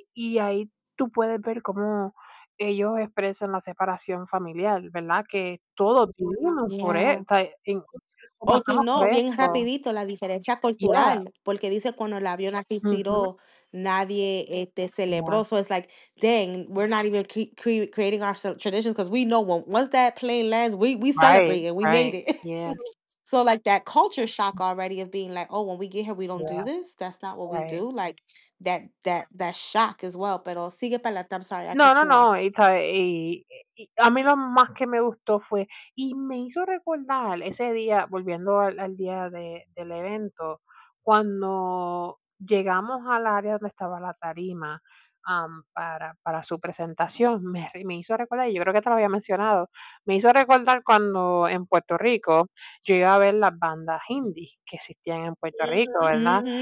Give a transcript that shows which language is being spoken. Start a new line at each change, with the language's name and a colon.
Spanish: Y ahí tú puedes ver cómo ellos expresan la separación familiar, ¿verdad? Que todos vivimos por esto. O si no, bien rapidito, la diferencia cultural, porque dice cuando el avión así tiró, nadie celebró.
English: Yeah. So it's like, dang, we're not even creating our traditions, because we know once that plane lands, we celebrate it, we made it. Yeah. So, like, that culture shock already of being like, oh, when we get here, we don't do this. That's not what we do. Like, that shock as well.
Spanish: Pero sigue para la...
English: I'm sorry.
Spanish: No. A mí lo más que me gustó fue... Y me hizo recordar ese día, volviendo al día del evento, cuando llegamos al área donde estaba la tarima para su presentación, me hizo recordar, y yo creo que te lo había mencionado, me hizo recordar cuando en Puerto Rico yo iba a ver las bandas indie que existían en Puerto Rico, ¿verdad?